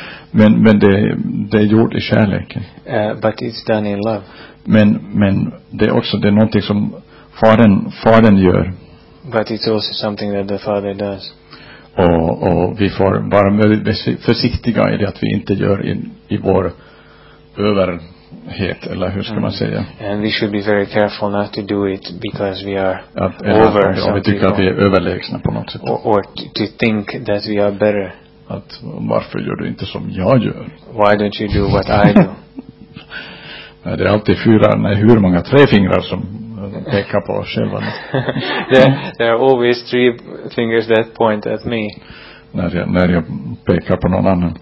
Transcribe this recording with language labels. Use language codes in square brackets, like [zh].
[sv] Men det är gjort i kärleken. [en] But it's done in love. [sv] Men det är också det är någonting som fadern gör. [en] But it's also something that the father does. [sv] Och vi får vara försiktiga i det att vi inte gör i vår överhet, eller hur ska man säga. [en] And we should be very careful not to do it because we are over. [sv] Om vi tycker att vi är överlägsna på något sätt. [en] Or to think that we are better. [sv] Att varför gör du inte som jag gör? [en] Why don't you do what I do? [sv] Nej, det är alltid hur många tre fingrar som pekar på oss själva. [en] There are always three fingers that point at me. [sv] När jag pekar på någon annan.